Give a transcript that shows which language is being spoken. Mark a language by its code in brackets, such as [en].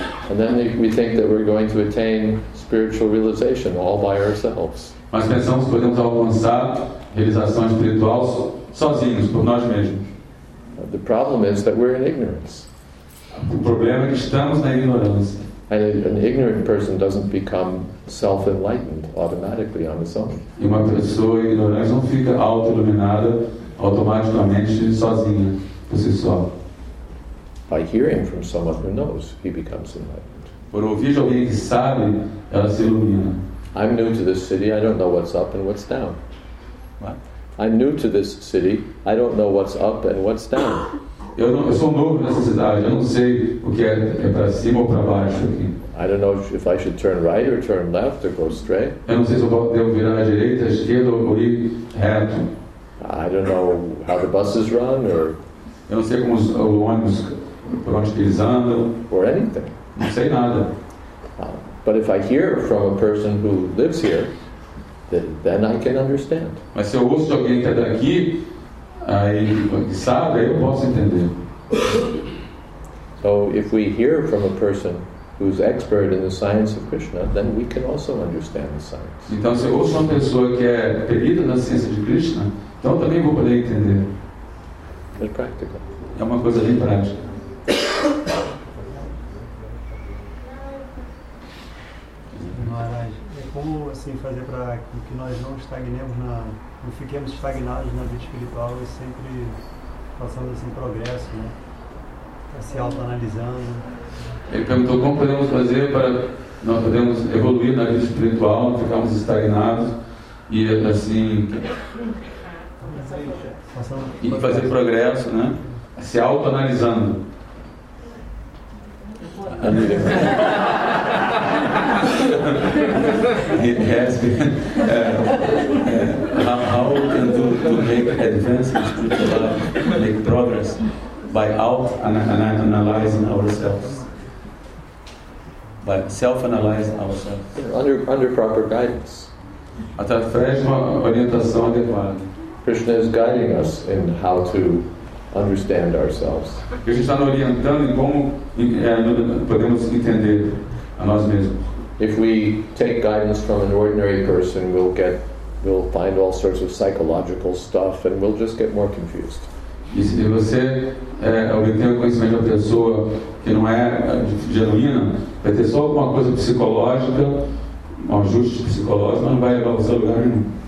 [en] And then we think that we're going to attain spiritual realization all by ourselves. [pt] Mas pensamos que podemos alcançar realização espiritual sozinhos, por nós mesmos. [en] The problem is that we're in ignorance. [pt] O problema é que estamos na ignorância. [en] And an ignorant person doesn't become self-enlightened automatically on its own. [pt] E uma pessoa ignorante não fica auto-iluminada automaticamente sozinha, por si só. [en] By hearing from someone who knows, he becomes enlightened. [pt] Por ouvir de alguém que sabe, ela se ilumina. [en] I'm new to this city, I don't know what's up and what's down. What? I'm new to this city, I don't know what's up and what's down. [pt] Eu sou novo nessa cidade, eu não sei o que é para cima ou para baixo aqui. [en] I don't know if I should turn right or turn left or go straight. [pt] Eu não sei se eu devo virar à direita, à esquerda ou ir reto. [en] I don't know how the buses run or. [pt] Eu não sei como os ônibus por onde eles andam. [en] Or anything. [pt] Não sei nada. [en] But if I hear from a person who lives here, then I can understand. [pt] Mas se eu ouço de alguém que é daqui, aí que sabe, aí eu posso entender. [en] So if we hear from a person who's expert in the science of Krishna, then we can also understand the science. [pt] Então se eu ouço uma pessoa que é perita na ciência de Krishna, então eu também vou poder entender. [en] It's practical. [pt] É uma coisa bem prática. Como assim fazer para que nós não estagnemos na, não fiquemos estagnados na vida espiritual e sempre passando assim progresso, né? Se autoanalisando. Ele perguntou como podemos fazer para nós podemos evoluir na vida espiritual, não ficarmos estagnados e assim e fazer progresso, né? Se autoanalisando. [en] How can to make advances make progress by out and analyzing ourselves, by self-analyzing ourselves under proper guidance. [pt] através de uma orientação adequada. [en] Krishna is guiding us in how to understand ourselves. [pt] Krishna está nos orientando em como podemos entender a nós mesmos. [en] If we take guidance from an ordinary person, we'll find all sorts of psychological stuff, and we'll just get more confused. [pt] E se você obter o conhecimento de uma pessoa que não é genuína, vai ter só alguma coisa psicológica, um ajuste psicológico, mas não vai levar você a lugar nenhum.